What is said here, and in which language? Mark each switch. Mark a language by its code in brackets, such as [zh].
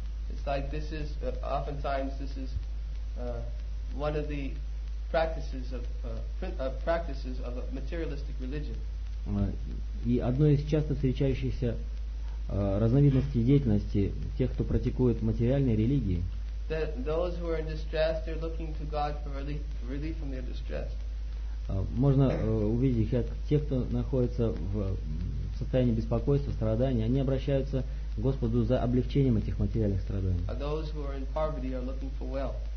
[en] It's like this is oftentimes this is one of the practices of practices of a materialistic religion. [ru] И одно из часто встречающихся разновидностей деятельности тех, кто практикует материальные религии. [en] That those who are in distress, they're looking to God for relief from their distress. [ru] Можно увидеть, как те, кто находится в состоянии беспокойства, страдания, они обращаются к Господу за облегчением этих материальных страданий. [en] And those who are in poverty are looking for wealth.